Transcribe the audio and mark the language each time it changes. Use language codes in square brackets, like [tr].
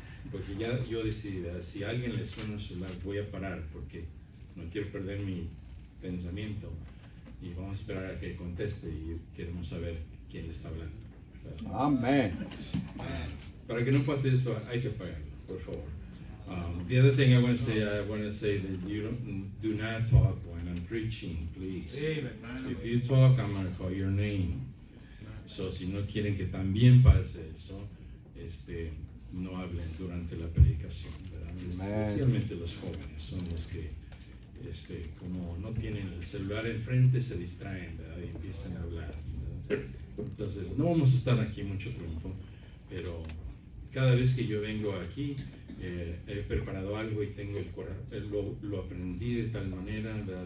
[es] Porque ya yo decidí, ¿verdad? Si a alguien le suena el celular, voy a parar porque no quiero perder mi pensamiento y vamos a esperar a que conteste y queremos saber quién le está hablando. Amén. Para que no pase eso, hay que apagarlo, por favor. [en] The other thing I want to say that you do not talk when I'm preaching, please. If you talk, I'm going to call your name. [es] So, si no quieren que también pase eso, no hablen durante la predicación, ¿verdad? Especialmente los jóvenes son los que, como no tienen el celular enfrente, se distraen, ¿verdad? Y empiezan a hablar, ¿verdad? Entonces, no vamos a estar aquí mucho tiempo, pero cada vez que yo vengo aquí, he preparado algo y tengo el corazón, lo aprendí de tal manera, ¿verdad?